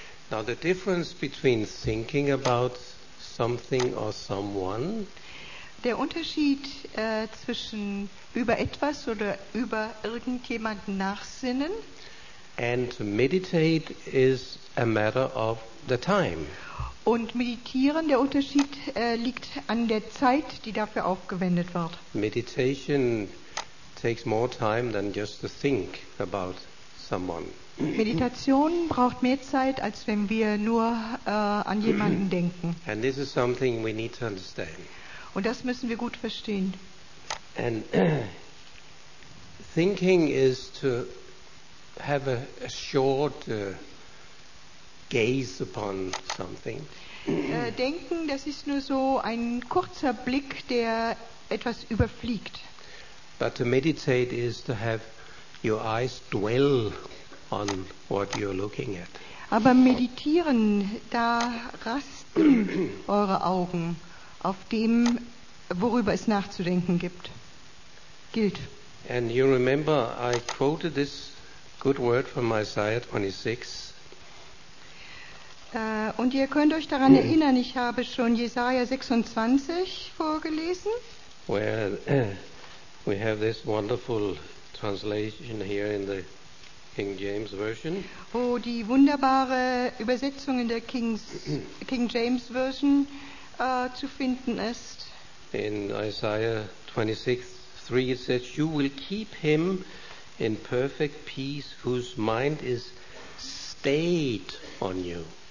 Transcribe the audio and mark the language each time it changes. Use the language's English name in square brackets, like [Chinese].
[English] Now the difference between thinking about something or someone. [German] Der Unterschied zwischen über etwas oder über irgendjemanden nachsinnen. [English] And meditate is a matter of the time. [German] Und meditieren, der Unterschied liegt an der Zeit, die dafür aufgewendet wird. [English] Meditation takes more time than just to think about someone. [German] Meditation braucht mehr Zeit, als wenn wir nur an jemanden denken. [English] And this is something we need to understand. [German] Und das müssen wir gut verstehen. [English] And thinking is to have a short gaze upon something. [German] Denken, das ist nur so ein kurzer Blick, der etwas überfliegt. [English] But to meditate is to have your eyes dwell on what you're looking at. [German] Aber meditieren, da rasten eure Augen auf dem, worüber es nachzudenken gibt, gilt. [English] And you remember, I quoted this good word from Isaiah 26. [German] Und ihr könnt euch daran erinnern, ich habe schon Jesaja 26 vorgelesen. [English] Where we have this wonderful translation here in the King James Version. [German] Wo die wunderbare Übersetzung in der King James Version zu finden ist. [English] In Isaiah 26:3 it says, "You will keep him in perfect peace whose mind is stayed on you."